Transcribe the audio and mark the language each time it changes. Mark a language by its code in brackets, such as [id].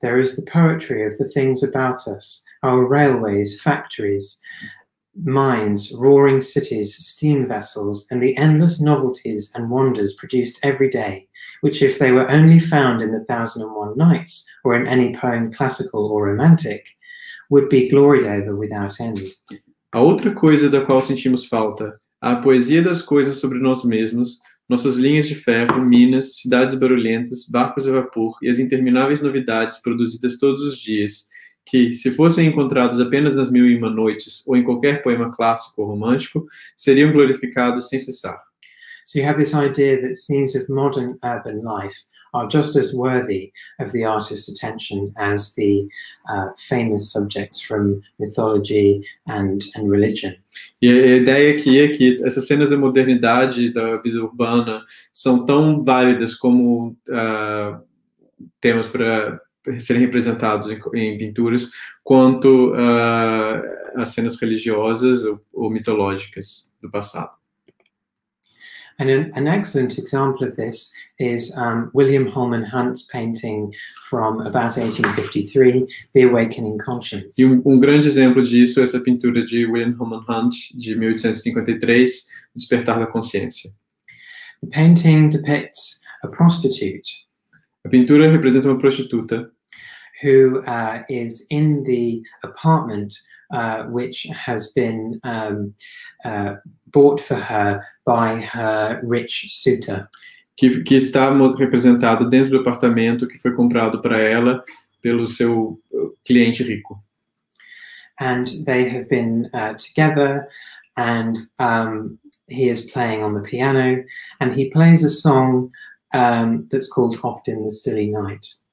[en] There is the poetry of the things about us, our railways, factories, mines, roaring cities, steam vessels, and the endless novelties and wonders produced every day, which if they were only found in the Thousand and One Nights, or in any poem classical or romantic, would be gloried over without end. [pt] A outra coisa da qual sentimos falta, a poesia das coisas sobre nós mesmos, nossas linhas de ferro, minas, cidades barulhentas, barcos a vapor e as intermináveis novidades produzidas todos os dias, que, se fossem encontrados apenas nas Mil e Uma Noites ou em qualquer poema clássico ou romântico, seriam glorificados sem cessar. [en] So you have this idea that scenes of modern urban life are just as worthy of the artist's attention as the famous subjects from mythology and religion. [pt] E a ideia aqui é que essas cenas da modernidade, da vida urbana, são tão válidas como temas para serem representados em pinturas, quanto as cenas religiosas ou mitológicas do passado. [en] And an excellent example of this is William Holman Hunt's painting from about 1853, The Awakening Conscience. [pt] E grande exemplo disso é essa pintura de William Holman Hunt, de 1853, Despertar da Consciência. [en] The painting depicts a prostitute. [pt] A pintura representa uma prostituta. [en] Who is in the apartment which has been bought for her by her rich suitor. [pt] Que está representado dentro do apartamento que foi comprado para ela pelo seu cliente rico. [en] And they have been together and he is playing on the piano and he plays a song that's called Often the Stilly Night.